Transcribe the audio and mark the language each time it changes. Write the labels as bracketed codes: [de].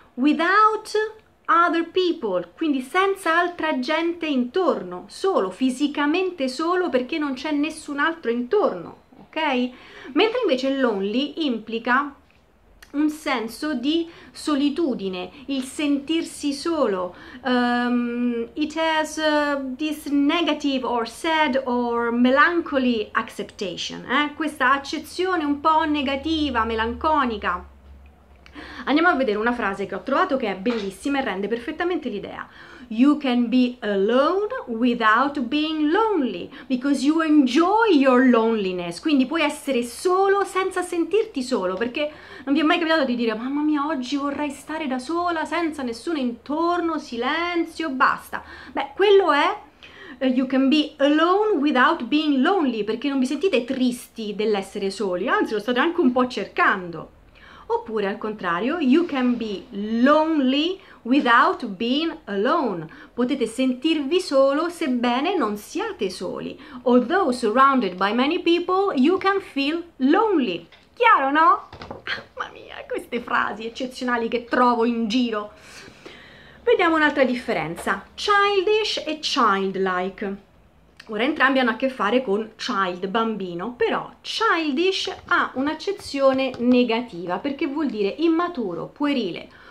[en] without other people, [it] quindi senza altra gente intorno, solo, fisicamente solo perché non c'è nessun altro intorno, ok? Mentre invece lonely implica un senso di solitudine, il sentirsi solo. [en] It has this negative or sad or melancholy acceptation, eh? [it] Questa accezione un po' negativa, melanconica. Andiamo a vedere una frase che ho trovato che è bellissima e rende perfettamente l'idea. [en] You can be alone without being lonely, because you enjoy your loneliness. [it] Quindi puoi essere solo senza sentirti solo, perché non vi è mai capitato di dire mamma mia, oggi vorrei stare da sola, senza nessuno intorno, silenzio, basta. Beh, quello è [en] you can be alone without being lonely, [it] perché non vi sentite tristi dell'essere soli, anzi lo state anche un po' cercando. Oppure al contrario, [en] you can be lonely without being alone. [it] Potete sentirvi solo sebbene non siate soli. [en] Although surrounded by many people, you can feel lonely. [it] Chiaro, no? Mamma mia, queste frasi eccezionali che trovo in giro. Vediamo un'altra differenza. Childish e childlike. Ora entrambi hanno a che fare con child, bambino, però childish ha un'accezione negativa perché vuol dire immaturo, puerile.